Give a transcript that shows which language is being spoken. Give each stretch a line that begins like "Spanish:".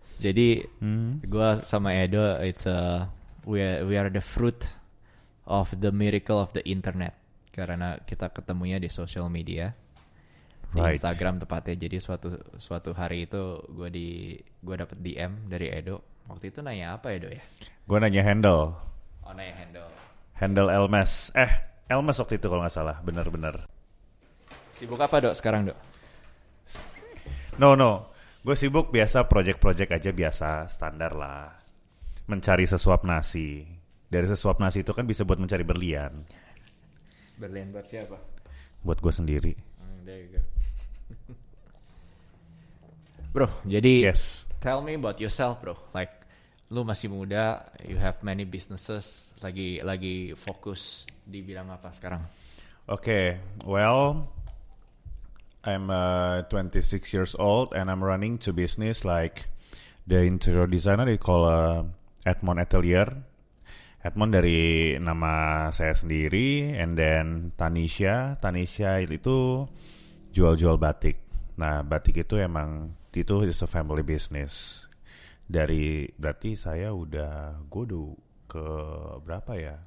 Indonesian: Jadi gue sama Edo,
English: we are the fruit of the miracle of the internet.
Indonesian: Karena kita ketemunya di social media,
English: right.
Indonesian: Di Instagram tepatnya. Jadi suatu hari itu gue dapet DM dari Edo. Waktu itu nanya apa, Edo, ya? Gue nanya handle. Oh, nanya handle. Handle Elmas. Elmas waktu itu kalau gak salah, bener-bener. Sibuk apa, Dok, sekarang, Dok? No. Gue sibuk biasa, project-project aja biasa, standar lah. Mencari sesuap nasi. Dari sesuap nasi itu kan bisa buat mencari berlian. Berlian buat siapa? Buat gue sendiri.
English: There you go.
Indonesian: Bro, jadi
English: yes. Tell me about yourself, bro. Like,
Indonesian: lu masih muda,
English: you have many businesses,
Indonesian: lagi fokus di bidang apa sekarang?
English: Okay, well, I'm 26 years old and I'm running two business, like the interior designer they call Edmond Atelier.
Indonesian: Edmond dari nama saya sendiri,
English: and then
Indonesian: Tanisha itu jual-jual batik. Nah, batik itu emang itu
English: just a family business.
Indonesian: Dari berarti saya udah godo ke berapa ya?